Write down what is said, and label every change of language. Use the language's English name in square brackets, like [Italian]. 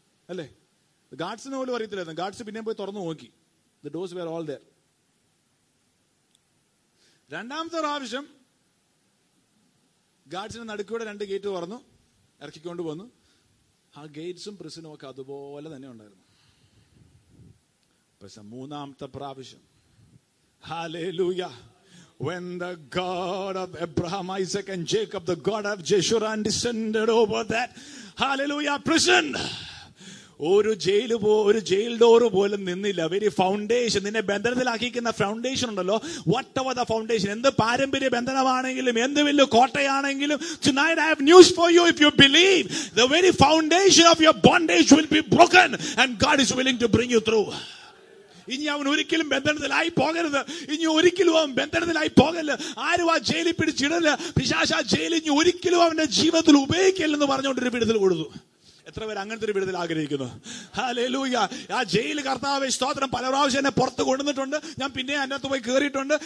[Malayalam] അല്ലേ, ഗാഡ്സിന് പോലും അറിയത്തില്ലായിരുന്നു. ഗാഡ്സ് പിന്നെയും പോയി തുറന്നു നോക്കി. [English] The doors were all there. [Malayalam] രണ്ടാമത്തെ പ്രാവശ്യം ഗാഡ്സിന് നടുക്കൂടെ രണ്ട് ഗേറ്റ് തുറന്നു, ഇറക്കിക്കൊണ്ട് പോന്നു. ആ ഗേറ്റ്സും പ്രിസനും ഒക്കെ അതുപോലെ തന്നെ ഉണ്ടായിരുന്നു. പക്ഷെ മൂന്നാമത്തെ പ്രാവശ്യം, ഹല്ലേലൂയാ, [English] when the God of Abraham, Isaac and Jacob, the God of Jeshurun descended over that, hallelujah, prison, [Malayalam] ഒരു ജയിലു പോ ഒരു ജയിൽ ഡോറ് പോലും നിന്നില്ല. വെരി ഫൗണ്ടേഷൻ, നിന്നെ ബന്ധനത്തിലാക്കിയിരിക്കുന്ന ഫൗണ്ടേഷൻ ഉണ്ടല്ലോ, വട്ട് അവർ ദ ഫൗണ്ടേഷൻ, എന്ത് പാരമ്പര്യ ബന്ധനമാണെങ്കിലും എന്ത് വലിയ കോട്ടയാണെങ്കിലും, [English] tonight I have news for you, if you believe, the very foundation of your bondage will be broken and God is willing to bring you through. [Malayalam] ഇനി അവൻ ഒരിക്കലും ബന്ധനത്തിലായി പോകരുത്, ഇനി ഒരിക്കലും അവൻ ബന്ധനത്തിലായി പോകല്ല, ആരും ആ ജയിലിൽ പിടിച്ചിടല്ല, പിശാച് ആ ജയിലിൽ ഇനി ഒരിക്കലും അവന്റെ ജീവിതത്തിൽ ഉപയോഗിക്കില്ലെന്ന് പറഞ്ഞുകൊണ്ട് ഒരു വിടുതൽ കൊടുത്തു. എത്ര പേര് അങ്ങനത്തെ ഒരു വിടുതൽ ആഗ്രഹിക്കുന്നു? ഹല്ലേലൂയ. ആ ജയിൽ കർത്താവ് സ്തോത്രം പല പ്രാവശ്യം എന്നെ പുറത്ത് കൊണ്ടുവന്നിട്ടുണ്ട്, ഞാൻ പിന്നെ അതിനകത്ത് പോയി കയറിയിട്ടുണ്ട്.